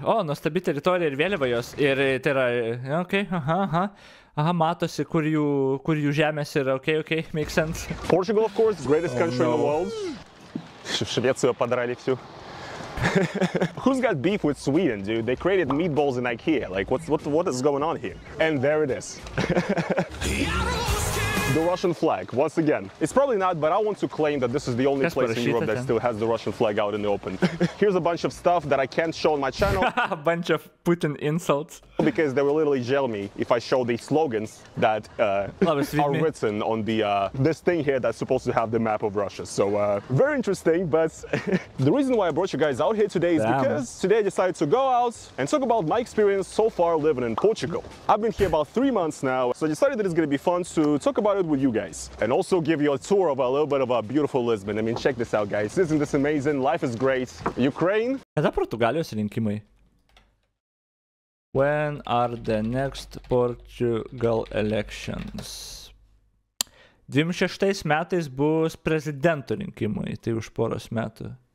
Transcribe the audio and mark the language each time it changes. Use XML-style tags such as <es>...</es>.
<lt>Oh, nuostabi teritorija ir vėliava jos. Ir tai yra, okay, aha. Aha, matosi, kur jų žemės yra, okay,</lt> <en>makes sense. Portugal, of course, greatest country in the world.</en> <ru>Швецию подрали всю.</ru> <en>Who's got beef with Sweden, dude? They created meatballs in IKEA. Like, what is going on here? And there it is. The Russian flag, once again. It's probably not, but I want to claim that this is the only</en> <lt>Kas</lt> <en>place in Europe that still has the Russian flag out in the open. Here's a bunch of stuff that I can't show on my channel. A bunch of Putin insults. Because they will literally jail me if I show the slogans that are written on the this thing here that's supposed to have the map of Russia. So, very interesting, but the reason why I brought you guys out here today is because today I decided to go out and talk about my experience so far living in Portugal. I've been here about 3 months now, so I decided that it's gonna be fun to talk about it with you guys and also give you a tour of a little bit of a beautiful Lisbon. I mean, check this out, guys. Isn't this amazing? Life is great. Ukraine.</en> <lt>Kada Portugalijos rinkimai?</lt> <en>When are the next Portugal elections?</en> <lt>26 metais bus prezidento rinkimai, tai už poros metų.</lt>